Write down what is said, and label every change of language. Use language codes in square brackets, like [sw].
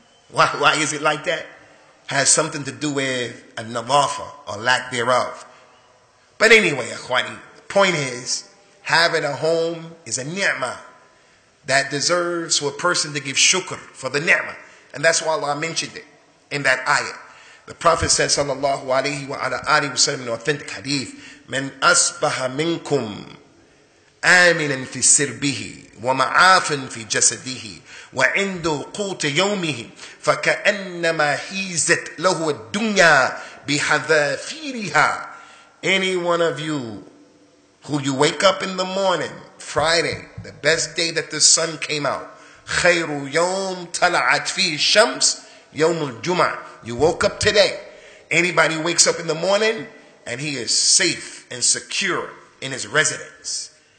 [en] Why is it like that? Has something to do with a nadafa or lack thereof. But anyway, Akhwani, the point is, having a home is a ni'mah that deserves for a person to give shukr for the ni'mah. And that's why Allah mentioned it in that ayah. The Prophet said, sallallahu alayhi wa alayhi wa sallam, in authentic hadith, [ar] من أصبح منكم آمنا في سربه ومعافا في جسده وعنده قوت يومه فكأنما حيزت له الدنيا بحذافيرها. [en] Any one of you who you wake up in the morning, Friday, the best day that the sun came out, [ar] خير يوم طلعت فيه الشمس يوم الجمعة. [en] You woke up today. Anybody wakes up in the morning and he is safe and secure in his residence.